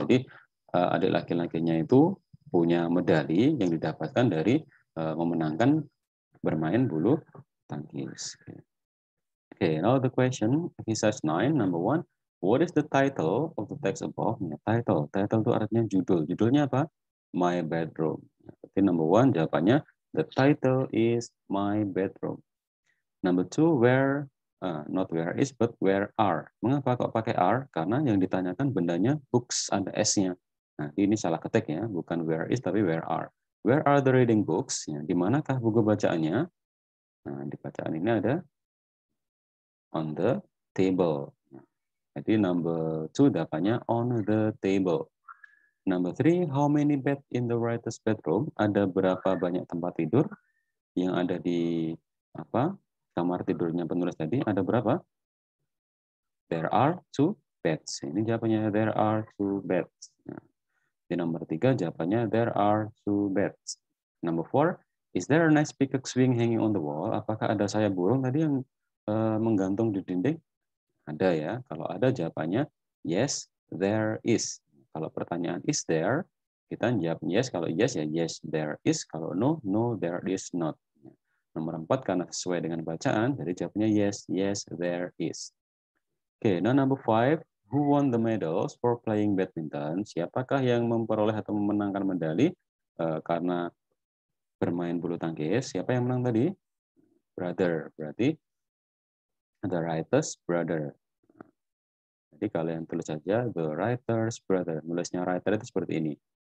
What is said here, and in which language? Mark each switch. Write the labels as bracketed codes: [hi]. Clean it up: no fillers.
[id] Jadi adik laki-lakinya itu punya medali yang didapatkan dari memenangkan bermain bulu tangkis. [en] Okay, now the question, exercise 9, number 1. What is the title of the text above? [id] Title, title itu artinya judul. Judulnya apa? My bedroom. [en] Okay, number 1, jawabannya, the title is my bedroom. Number 2, where, not where is, but where are. [id] Mengapa kok pakai are? Karena yang ditanyakan bendanya books, ada S-nya. Nah, ini salah ketik ya, bukan where is, tapi where are. [en] Where are the reading books? [id] Ya, di manakah buku bacaannya? Nah, di bacaan ini ada [en] on the table. [id] Jadi number 2 dapatnya on the table. [en] Number 3, how many bed in the writer's bedroom? [id] Ada berapa banyak tempat tidur yang ada di apa? Kamar tidurnya penulis tadi ada berapa? [en] There are two beds. [id] Ini jawabannya [en] there are two beds. [id] Di nomor tiga jawabannya [en] there are two birds. Number four, is there a nice peacock swing hanging on the wall? [id] Apakah ada sayap burung tadi yang menggantung di dinding? Ada ya. Kalau ada jawabannya [en] yes, there is. [id] Kalau pertanyaan is there, kita jawab yes. [en] Kalau yes ya yes there is. Kalau no, no there is not. [id] Nomor empat karena sesuai dengan bacaan, jadi jawabannya [en] yes, yes there is. Oke, okay, nah number five, who won the medals for playing badminton? [id] Siapakah yang memperoleh atau memenangkan medali karena bermain bulu tangkis? Siapa yang menang tadi? Brother, berarti [en] the writer's brother. [id] Jadi kalian tulis saja [en] the writer's brother. [id] Nulisnya writer itu seperti ini.